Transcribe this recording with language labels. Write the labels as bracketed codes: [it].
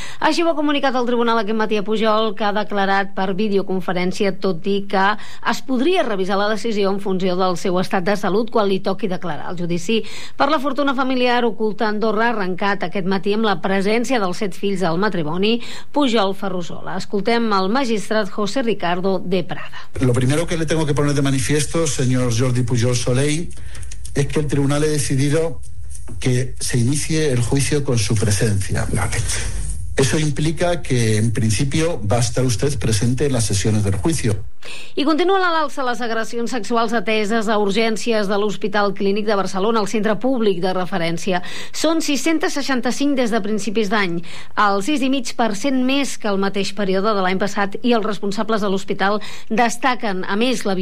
[ca] Així ho ha comunicat el tribunal aquest matí a Pujol, que ha declarat per videoconferència, tot i que es podria revisar la decisió en funció del seu estat de salut quan li toqui declarar el judici. Per la fortuna familiar oculta Andorra, arrencat aquest matí amb la presència dels 7 fills del matrimoni, Pujol Ferrusola. Escoltem el magistrat José Ricardo de Prada. [es] Lo primero que le tengo que poner de manifiesto, señor Jordi Pujol Soleil, es que el tribunal ha decidido que se inicie el juicio con su presencia. Eso implica que, en principio, va a estar usted presente en las sesiones del juicio. [ca] I continuen a l'alça les agressions sexuals ateses a urgències de l'Hospital Clínic de Barcelona, el centre públic de referència. Són 665 des de principis d'any, el 6,5% més que el mateix període de l'any passat, i els responsables de l'hospital destaquen, a més, la violència